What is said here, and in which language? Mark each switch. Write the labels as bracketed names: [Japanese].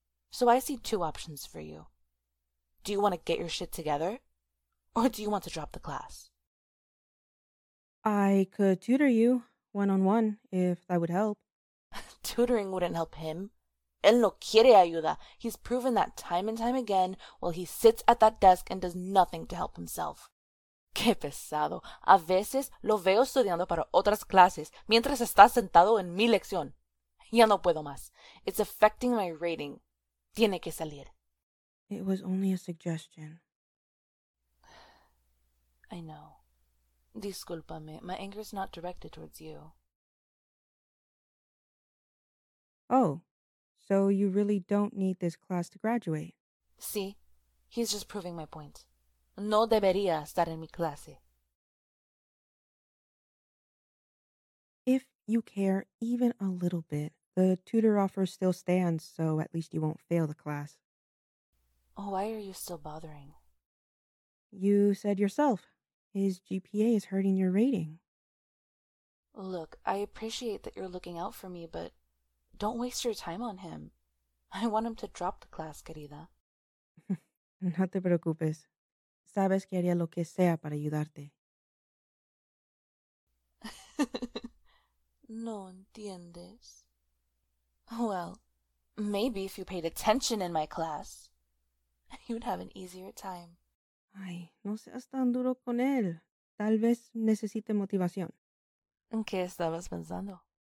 [English] So I see two options for you. Do you want to get your shit together, or do you want to drop the class? I could tutor you one-on-one if that would help. Tutoring wouldn't help him. [Spanish] Él no quiere ayuda. [English] He's proven that time and time again while he sits at that desk and does nothing to help himself. [Spanish] Qué pesado. A veces lo veo estudiando para otras clases mientras está sentado en mi lección. Ya no puedo más. [English] It's affecting my rating. [Spanish] Tiene que salir. [English] It was only a suggestion. I know. [Spanish] Discúlpame. [English] My anger is not directed towards you. Oh, so you really don't need this class to graduate? [Spanish] Sí. [English] He's just proving my point. [Spanish] No debería estar en mi clase. [English] If you care even a little bit, the tutor offer still stands, so at least you won't fail the class. Oh, why are you still bothering? You said yourself, his GPA is hurting your rating. Look, I appreciate that you're looking out for me, but don't waste your time on him. I want him to drop the class, querida. [Spanish] No te preocupes. Sabes que haría lo que sea para ayudarte. No entiendes. [English] Well, maybe if you paid attention in my class, you'd have an easier time. [Spanish] Ay, no seas tan duro con él. Tal vez necesite motivación. ¿En qué estabas pensando?